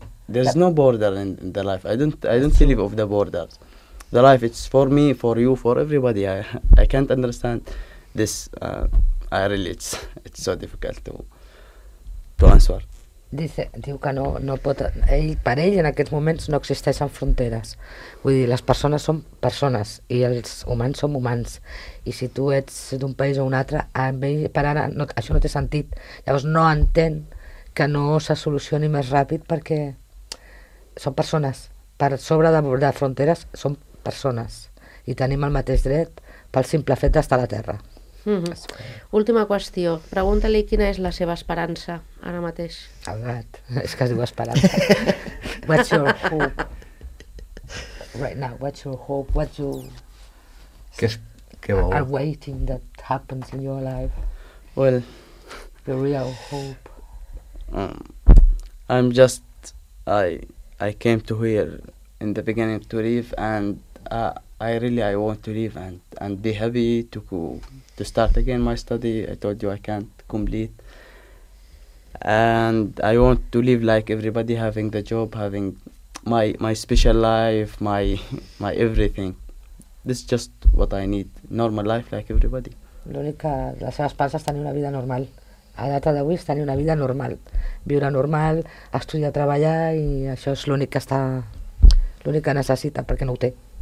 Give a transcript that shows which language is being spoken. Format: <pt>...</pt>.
<en>There's no border in the life. I don't believe of the borders. The life, it's for me, for you, for everybody. I can't understand this. I really, it's so difficult to answer.</en> <ca>Dice, diu que no pot, ell, per ell en aquests moments no existeixen fronteres. Vull dir, les persones són persones i els humans som humans. I si tu ets d'un país o un altre, per ara no, això no té sentit. Llavors no entén que no se solucioni més ràpid perquè són persones. Per sobre de fronteres són persones. I tenim el mateix dret pel simple fet d'estar a la Terra. Mm-hmm. Última qüestió, pregunta-li quina és la seva esperança ara mateix. Albert, és que es diu esperança.</ca> <en>What's your hope right now? What's your hope? What you</en> <ca>que vol?</ca> <en>Are waiting that happens in your life? Well, the real hope. I'm just I came to here in the beginning to live, and I really want to live and be happy to start again my study. I told you I can't complete. And I want to live like everybody, having the job, having my special life, my everything. This is just what I need, normal life like everybody.</en> <ca>L'únic que la seva esperança és tenir una vida normal. A data d'avui és tenir una vida normal. Viure normal, estudiar, treballar, i això és l'únic que necessita, perquè no ho té.</ca>